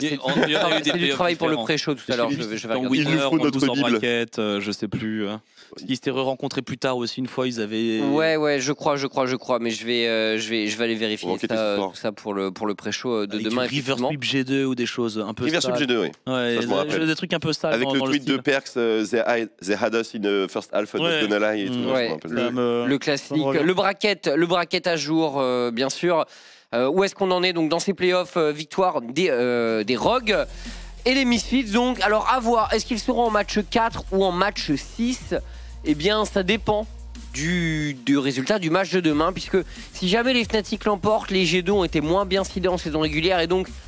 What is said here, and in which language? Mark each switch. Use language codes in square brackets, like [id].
[fr] C'est du travail pour le pré-show tout à l'heure. Je sais plus. Hein. Ils s'étaient rencontrés plus tard aussi une fois. Ils avaient. Ouais, je crois. Mais je vais aller vérifier ça pour le pré-show de demain. River Sweep G2 ou des choses un peu. River Sweep G2, oui. Ouais, des trucs un peu sales. Avec le tweet de Perks, [en] they had us in the first half of the night. [fr] Le classique. Le bracket à jour, bien sûr. Où est-ce qu'on en est donc dans ces playoffs, victoire des Rogues et les Misfits. Donc, alors à voir, est-ce qu'ils seront en match 4 ou en match 6? Eh bien, ça dépend du résultat du match de demain, puisque si jamais les Fnatic l'emportent, les G2 ont été moins bien sidés en saison régulière et donc